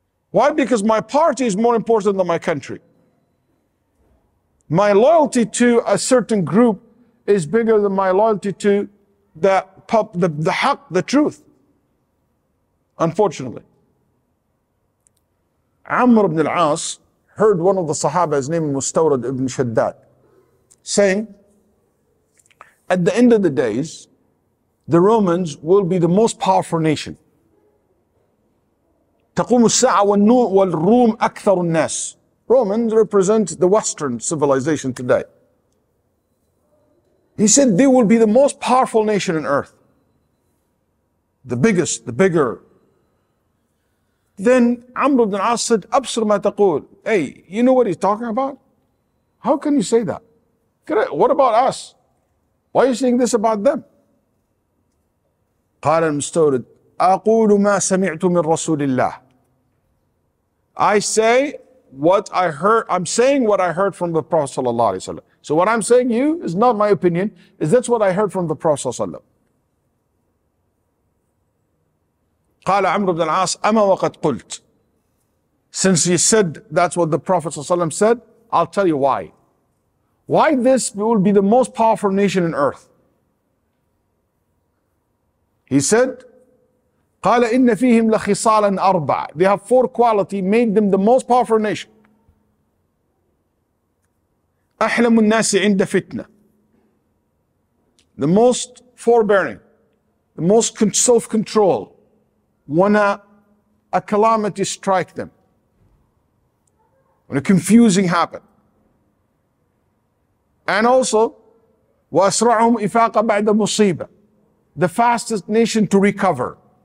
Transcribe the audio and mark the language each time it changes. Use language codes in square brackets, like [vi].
[en] Why? Because my party is more important than my country. My loyalty to a certain group is bigger than my loyalty to the haq, the truth, unfortunately. Amr ibn al-As heard one of the Sahaba, his name Mustawrad ibn Shaddad, saying, at the end of the days, the Romans will be the most powerful nation. [ar] تقوم الساعة والروم أكثر الناس. [en] Romans represent the Western civilization today. He said, they will be the most powerful nation on earth. The biggest, the bigger. Then Amr ibn al-As said, [ar] أبصر ما تقول. [en] Hey, you know what he's talking about? How can you say that? What about us? Why are you saying this about them? [ar] قال المستورد, أقول ما سمعت من رسول الله. [en] I say what I heard, I'm saying what I heard from the Prophet sallallahu alayhi wa sallam. So what I'm saying to you is not my opinion, is that's what I heard from the Prophet sallallahu alayhi wa sallam. [ar] قال عمرو بن العاص أما وقد قلت. [en] Since he said that's what the Prophet ﷺ said, I'll tell you why. Why this will be the most powerful nation on earth? He said, [ar] قال إن فيهم لخصالا أربع. [en] They have four qualities made them the most powerful nation. [ar] أحلم الناس عند فتنة. [en] The most forbearing, the most self-control. When a calamity strike them, when a confusing happen, and also [ar] وَأَسْرَعُهُمْ إِفَاقَ بَعْدَ مُصِيبَةٍ, [en] the fastest nation to recover.